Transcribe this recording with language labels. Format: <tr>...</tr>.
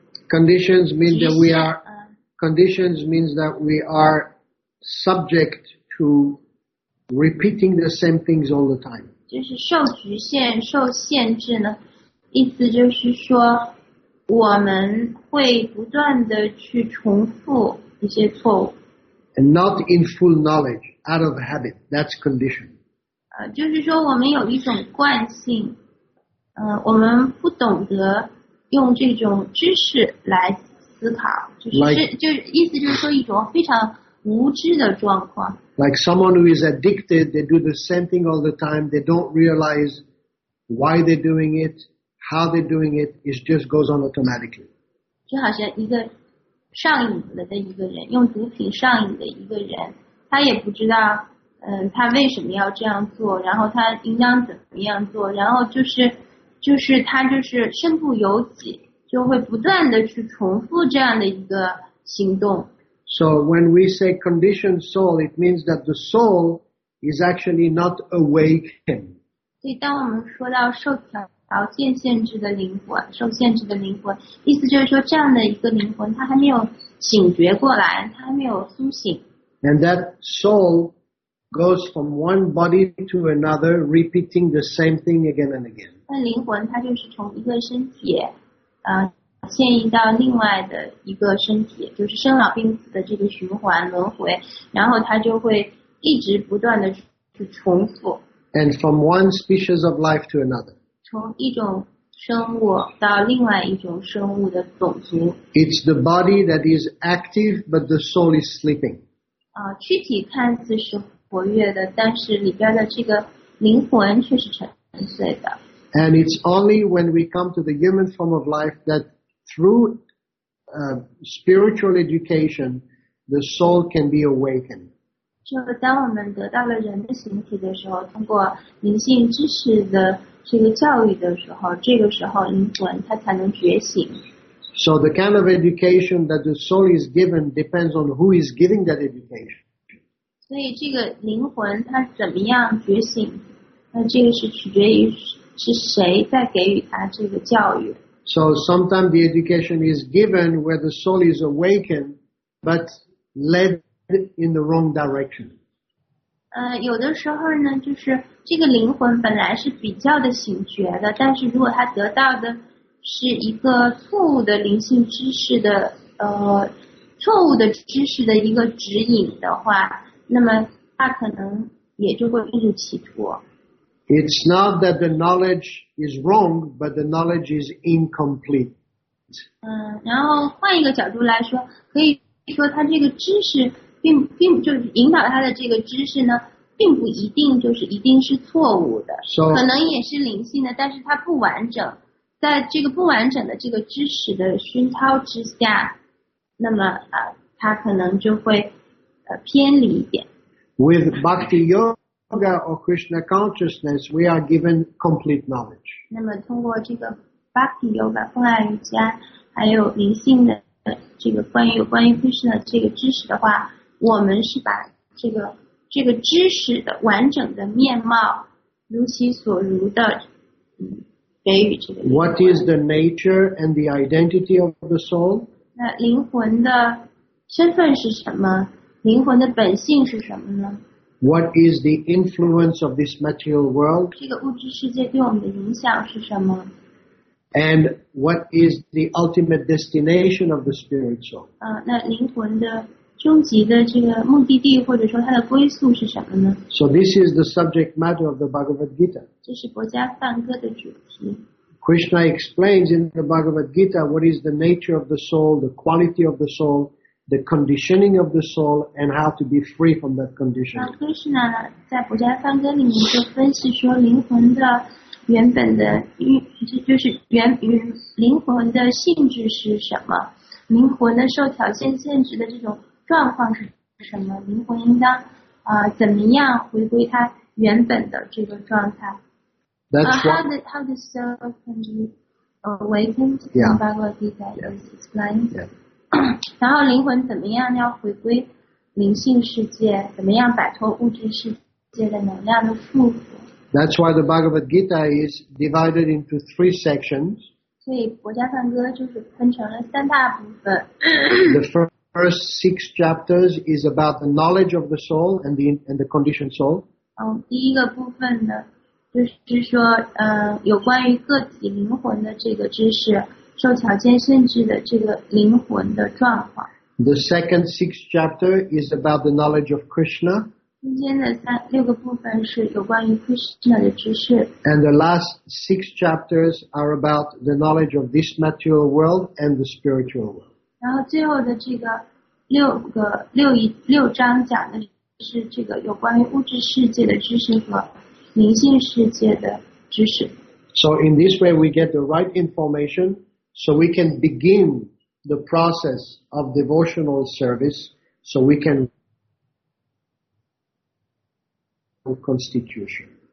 <en>Conditions mean that we are. Conditions means that we are subject to. Repeating the same things all the time.</en> <zh>就是受局限、受限制呢，意思就是说，我们会不断的去重复一些错误。</zh> <en>And not in full knowledge, out of habit. That's condition.</en> <zh>就是说我们有一种惯性，我们不懂得用这种知识来思考，就是意思就是说一种非常无知的状况。</zh> <en>Like someone who is addicted, they do the same thing all the time. They don't realize why they're doing it, how they're doing it. It just goes on automatically.</en> <zh>就好像一个上瘾了的一个人，用毒品上瘾的一个人，他也不知道，他为什么要这样做，然后他应当怎么样做，然后就是他就是身不由己，就会不断的去重复这样的一个行动。</zh> <en>So when we say conditioned soul, it means that the soul is actually not awakened.</en> <zh>所以当我们说到受条件限制的灵魂，受限制的灵魂，意思就是说这样的一个灵魂，它还没有醒觉过来，它还没有苏醒。</zh> <en>And that soul goes from one body to another, repeating the same thing again and again.</en> <zh>那灵魂它就是从一个身体，迁移到另外的一个身体，就是生老病死的这个循环轮回，然后它就会一直不断的去重复。</zh> <en>And from one species of life to another.</en> <zh>从一种生物到另外一种生物的种族。</zh> <en>It's the body that is active, but the soul is sleeping.</en> <zh>躯体看似是活跃的，但是里边的这个灵魂却是沉睡的。</zh> <en>And it's only when we come to the human form of life thatThrough spiritual education, the soul can be awakened.</en> <zh>就当我们得到了人的形体的时候，通过灵性知识的这个教育的时候，这个时候灵魂它才能觉醒。</zh> <en>So the kind of education that the soul is given depends on who is giving that education.</en> <zh>所以这个灵魂它怎么样觉醒，那这个是取决于是谁在给予它这个教育。</zh> <en>So sometimes the education is given where the soul is awakened, but led in the wrong direction.</en> <zh>有的时候呢，就是这个灵魂本来是比较的醒觉的，但是如果他得到的是一个错误的灵性知识的错误的知识的一个指引的话，那么他可能也就会误入歧途。</zh> <en>It's not that the knowledge is wrong, but the knowledge is incomplete.</en> <zh>然后换一个角度来说，可以说他这个知识并就是引导他的这个知识呢，并不一定就是一定是错误的，</zh> <en>so,</en> <zh>可能也是灵性的，但是它不完整。在这个不完整的这个知识的熏陶之下，那么它可能就会偏离一点。</zh> <en>With bhakti yoga or Krishna consciousness, we are given complete knowledge.</en> <zh>那么通过这个 Bhakti Yoga 风爱瑜伽，还有灵性的这个关于 Krishna 这个知识的话，我们是把这个知识的完整的面貌如其所如的给予这个。</zh> <en>What is the nature and the identity of the soul?</en> <zh>那灵魂的身份是什么？灵魂的本性是什么呢？</zh> <en>What is the influence of this material world?</en> <zh>这个物质世界对我们的影响是什么？</zh> <en>And what is the ultimate destination of the spirit soul?</en> <zh>那灵魂的终极的这个目的地或者说它的归宿是什么呢？</zh> <en>So this is the subject matter of the Bhagavad Gita.</en> <zh>这是佛家梵歌的主题。</zh> <en>Krishna explains in the Bhagavad Gita what is the nature of the soul, the quality of the soul,the conditioning of the soul and how to be free from that conditioning.</en> <zh>Krishna 在佛家梵歌里面就分析说灵魂的原本的就是原灵魂的性质是什么，灵魂的受条件限制的这种状况是什么，灵魂应当怎么样回归它原本的这个状态。</zh> <en>How the soul can be awakened in Bhagavad Gita is explained.</en> <zh>然后灵魂怎么样要回归灵性世界，怎么样摆脱物质世界的能量的束缚。</zh> <en>That's why the Bhagavad Gita is divided into three sections.</en> <zh>所以佛家梵歌就是分成了三大部分。</zh> <en>The first six chapters is about the knowledge of the soul and the conditioned soul.</en> <zh>第一个部分呢，就是说有关于个体灵魂的这个知识。受条件限制的这个灵魂的状况。</zh> <en>The second sixth chapter is about the knowledge of Krishna.</en> <zh>中间的六个部分是有关于 Krishna 的知识。</zh> <en>And the last six chapters are about the knowledge of this material world and the spiritual world.</en> <zh>然后最后的这个六章讲的是这个有关于物质世界的知识和灵性世界的知识。</zh> <en>So in this way we get the right information. So we can begin the process of devotional service, so we can constitution.</en>